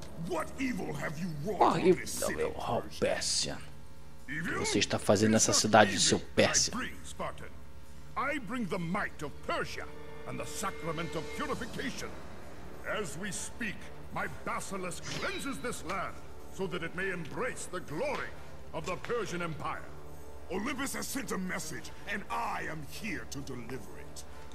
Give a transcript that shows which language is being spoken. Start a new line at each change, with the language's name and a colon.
English: What evil have you wrought on this city?
Portuguese: O que você está fazendo nessa cidade, seu Pérsia?
English: I bring the might of Persia and the sacrament of purification. As we speak, my basilisk cleanses this land so that it may embrace the glory of the Persian Empire. Olympus has sent a message and I am here to deliver it.